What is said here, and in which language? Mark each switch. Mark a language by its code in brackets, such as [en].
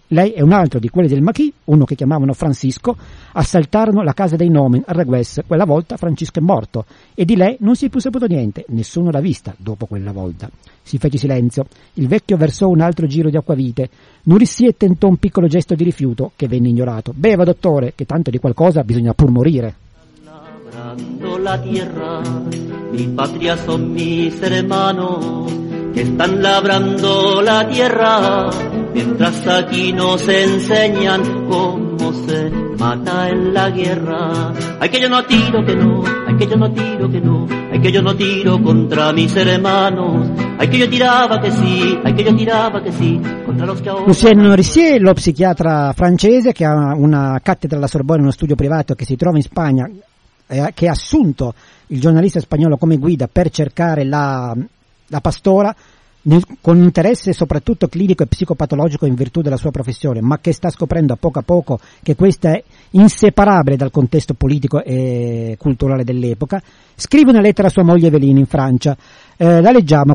[it] Lei è un altro di quelli del maquis, uno che chiamavano Francisco. Assaltarono la casa dei Nomen a Regues. Quella volta Francisco è morto e di lei non si è più saputo niente. Nessuno l'ha vista dopo quella volta. Si fece silenzio. Il vecchio versò un altro giro di acquavite. Nourissier tentò un piccolo gesto di rifiuto che venne ignorato. Beva, dottore, che tanto di qualcosa bisogna pur morire. [es] Labrando la tierra, mi patria son mis hermanos. Que están labrando la tierra, mientras aquí nos enseñan cómo se mata en la guerra. Ay, que yo no tiro que no, ay, que yo no tiro que no, ay, que yo no tiro contra mis hermanos. Ay, que yo tiraba que sí, ay, que yo tiraba que sí, contra los que ahora... [it] Lucien Nourissier, lo psichiatra francese che ha una cattedra alla Sorbona, uno studio privato che si trova in Spagna, che ha assunto il giornalista spagnolo come guida per cercare la pastora, con interesse soprattutto clinico e psicopatologico in virtù della sua professione, ma che sta scoprendo a poco che questa è inseparabile dal contesto politico e culturale dell'epoca, scrive una lettera a sua moglie Eveline in Francia. La leggiamo.